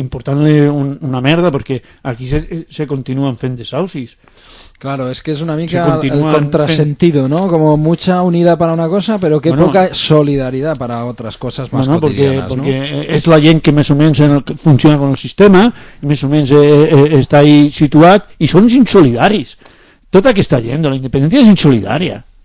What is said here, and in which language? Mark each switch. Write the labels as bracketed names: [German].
[Catalan] Important-li una merda, perquè aquí se continuen fent desaucis. Claro, és que és una mica el contrasentido, fent... ¿no? [Spanish] Como mucha unidad para una cosa, pero que bueno, poca solidaridad para otras cosas más bueno, porque, cotidianas, porque ¿no? [Catalan] Porque és la gent que més o menys funciona con el sistema, més o menys està ahí situat, i són insolidaris. Tot aquesta gent, la independència és insolidària.